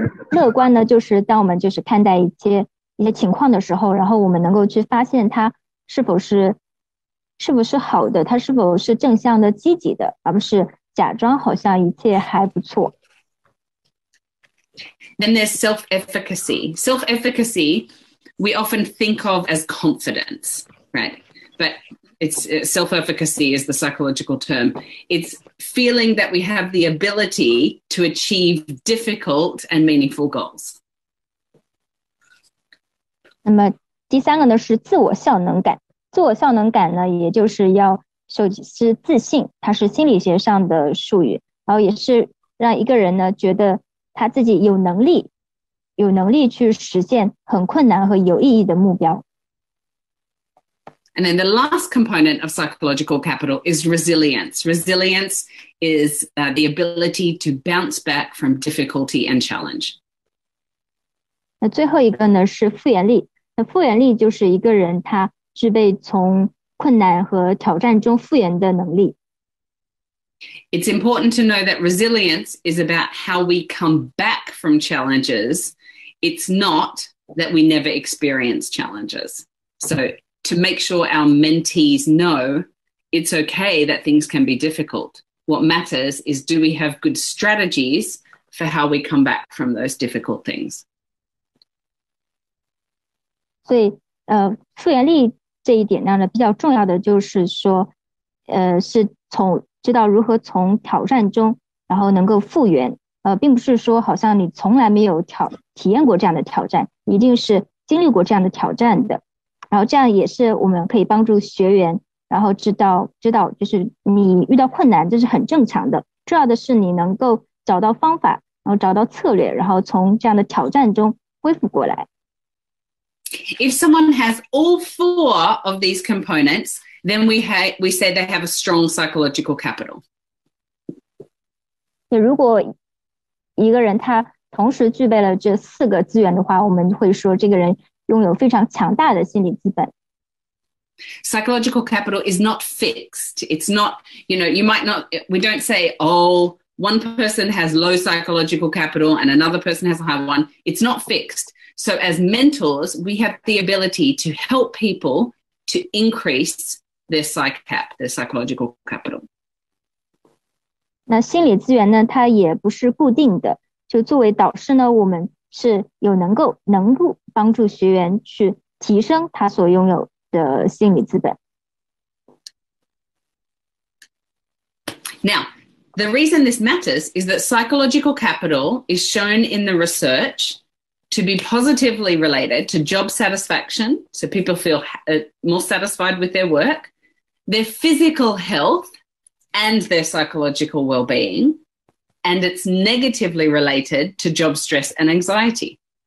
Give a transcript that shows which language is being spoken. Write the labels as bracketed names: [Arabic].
[Chinese] 乐观呢，就是当我们就是看待一些情况的时候，然后我们能够去发现它是不是好的，它是否是正向的、积极的，而不是假装好像一切还不错。 [English] Then there's self-efficacy. Self-efficacy, we often think of as confidence, right? But it's self-efficacy is the psychological term. It's feeling that we have the ability to achieve difficult and meaningful goals. [Chinese] 那么第三个呢是自我效能感。自我效能感呢，也就是要首先是自信，它是心理学上的术语，然后也是让一个人呢觉得他自己有能力去实现很困难和有意义的目标。 [English] And then the last component of psychological capital is resilience. Resilience is the ability to bounce back from difficulty and challenge. [Chinese] 那最后一个呢是复原力。那复原力就是一个人他具备从困难和挑战中复原的能力。 [English] It's important to know that resilience is about how we come back from challenges. It's not that we never experience challenges. So to make sure our mentees know it's okay that things can be difficult. What matters is, do we have good strategies for how we come back from those difficult things? [Chinese] 所以复原力这一点呢比较重要的就是说是从知道如何从挑战中然后能够复原并不是说好像你从来没有体验过这样的挑战，一定是经历过这样的挑战的。然后这样也是我们可以帮助学员然后知道就是你遇到困难这是很正常的，重要的是你能够找到方法然后找到策略然后从这样的挑战中恢复过来。 [English] If someone has all four of these components, then we say they have a strong psychological capital. [Chinese] 如果一个人他同时具备了这四个资源的话，我们会说这个人拥有非常强大的心理资本。 [English] Psychological capital is not fixed. It's not, you know, you might not, we don't say, oh, one person has low psychological capital and another person has a high one. It's not fixed. So as mentors, we have the ability to help people to increase their psych cap, their psychological capital. [Chinese] 那心理资源呢，它也不是固定的。就作为导师呢，我们是有能够帮助学员去提升他所拥有的心理资本。 [English] Now, the reason this matters is that psychological capital is shown in the research to be positively related to job satisfaction, so people feel more satisfied with their work, their physical health, and their psychological well-being, and it's negatively related to job stress and anxiety.